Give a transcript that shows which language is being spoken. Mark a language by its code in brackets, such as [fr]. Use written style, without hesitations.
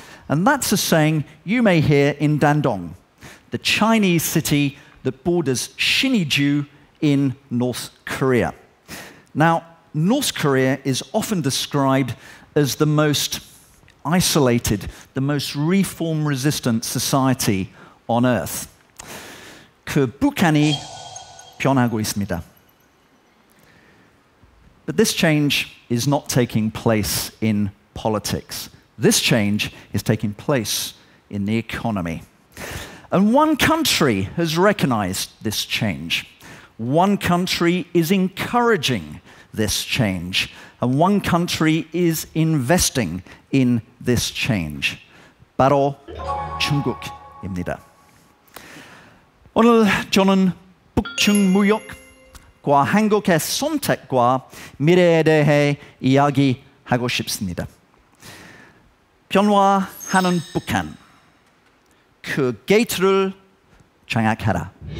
[en] And that's a saying you may hear in Dandong, the Chinese city that borders Sinniju in North Korea. Now, North Korea is often described as the most isolated, the most reform-resistant society on Earth. [ko] 그 북한이 변하고 있습니다. [en] But this change is not taking place in politics. This change is taking place in the economy. And one country has recognized this change. One country is encouraging this change. And one country is investing in this change. [ko] 바로 중국입니다. 오늘 저는 북중 무역과 한국의 선택과 미래에 대해 이야기하고 싶습니다. 변화하는 북한, 그 게이트를 장악하라.